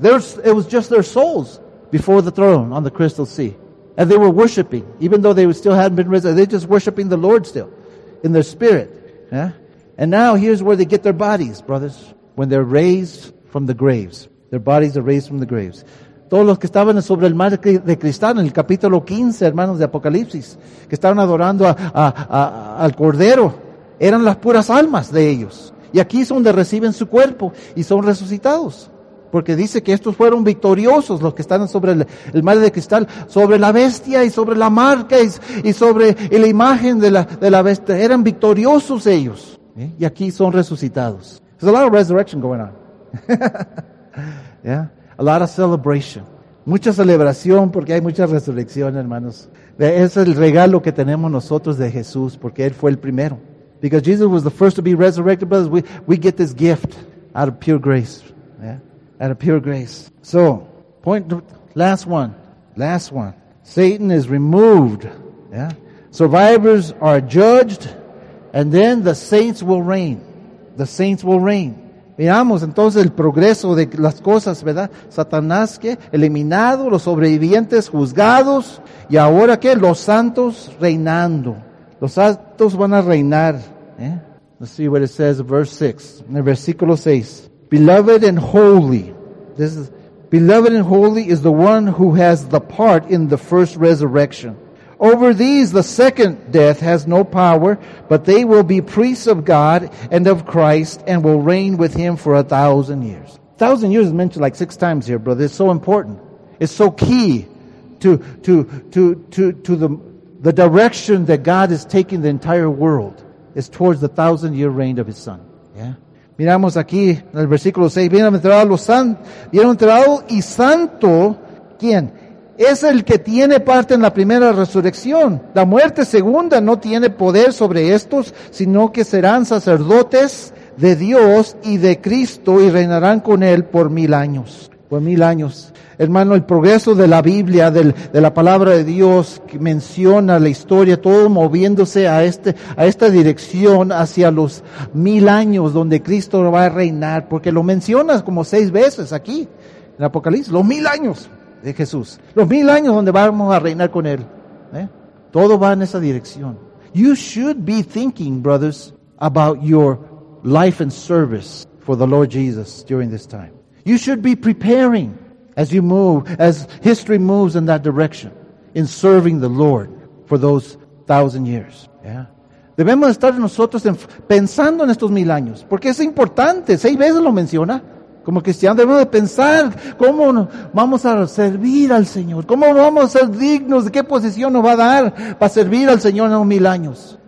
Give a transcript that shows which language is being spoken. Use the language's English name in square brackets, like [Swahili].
[English] It was just their souls before the throne on the crystal sea. And they were worshiping, even though they still hadn't been risen. They're just worshiping the Lord still in their spirit. Yeah? And now here's where they get their bodies, brothers, when they're raised from the graves. Their bodies are raised from the graves. [Spanish] Todos los que estaban sobre el mar de cristal, en el capítulo 15, hermanos, de Apocalipsis, que estaban adorando al Cordero, eran las puras almas de ellos. Y aquí es donde reciben su cuerpo y son resucitados. Porque dice que estos fueron victoriosos, los que están sobre el mar de cristal, sobre la bestia y sobre la marca y sobre la imagen de la bestia. Eran victoriosos ellos. ¿Eh? Y aquí son resucitados. [English] There's a lot of resurrection going on. Yeah. A lot of celebration. [Spanish] Mucha celebración porque hay mucha resurrección, hermanos. Es el regalo que tenemos nosotros de Jesús porque Él fue el primero. [English] Because Jesus was the first to be resurrected, brothers, we get this gift out of pure grace. Yeah? Out of pure grace. So, point, last one. Last one. Satan is removed. Yeah? Survivors are judged and then the saints will reign. The saints will reign. [Spanish] Veamos entonces el progreso de las cosas, ¿verdad? Satanás, ¿qué? Eliminado, los sobrevivientes juzgados, y ahora, ¿qué? Los santos reinando. Los santos van a reinar. ¿Eh? [English] Let's see what it says, verse 6. [Spanish] En el versículo 6. [English] Beloved and holy. Beloved and holy is the one who has the part in the first resurrection. Over these, the second death has no power, but they will be priests of God and of Christ and will reign with Him for 1,000 years. 1,000 years is mentioned like 6 times here, brother. It's so important. It's so key to the direction that God is taking the entire world. It's towards the 1,000-year reign of His Son. Yeah. [Spanish] Miramos aquí en el versículo 6. Bienaventurado y santo. ¿Quién? es el que tiene parte en la primera resurrección. La muerte segunda no tiene poder sobre estos, sino que serán sacerdotes de Dios y de Cristo y reinarán con él por 1,000 años. Por 1,000 años. Hermano, el progreso de la Biblia, de la palabra de Dios, que menciona la historia, todo moviéndose a esta dirección hacia los 1,000 años donde Cristo va a reinar, porque lo mencionas como 6 veces aquí, en Apocalipsis, los 1,000 años de Jesús, los 1,000 años donde vamos a reinar con Él. Todo va en esa dirección. [English] You should be thinking, brothers, about your life and service for the Lord Jesus during this time. You should be preparing as you move, as history moves in that direction, in serving the Lord for those 1,000 years. Yeah. [Spanish] Debemos estar nosotros pensando en estos 1,000 años, porque es importante. 6 veces lo menciona. Como cristianos debemos de pensar cómo vamos a servir al Señor, cómo vamos a ser dignos, de qué posición nos va a dar para servir al Señor en los 1,000 años.